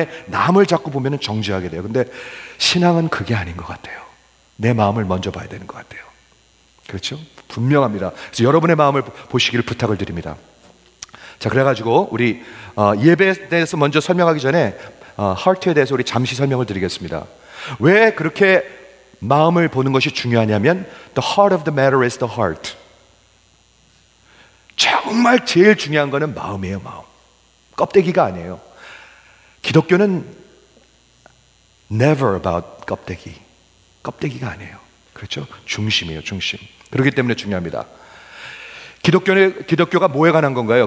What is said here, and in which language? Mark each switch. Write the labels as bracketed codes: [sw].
[ko] 남을 자꾸 보면 정죄하게 돼요. 근데 신앙은 그게 아닌 것 같아요. 내 마음을 먼저 봐야 되는 것 같아요. 그렇죠? 분명합니다. 그래서 여러분의 마음을 보시기를 부탁을 드립니다. 자, 그래가지고 우리 예배에 대해서 먼저 설명하기 전에 heart에 대해서 우리 잠시 설명을 드리겠습니다. 왜 그렇게 마음을 보는 것이 중요하냐면 [en] the heart of the matter is the heart. [ko] 정말 제일 중요한 거는 마음이에요. 마음. 껍데기가 아니에요. 기독교는 [en] never about [ko] 껍데기. 껍데기가 아니에요. 그렇죠? 중심이에요. 중심. 그렇기 때문에 중요합니다. 기독교가 뭐에 관한 건가요?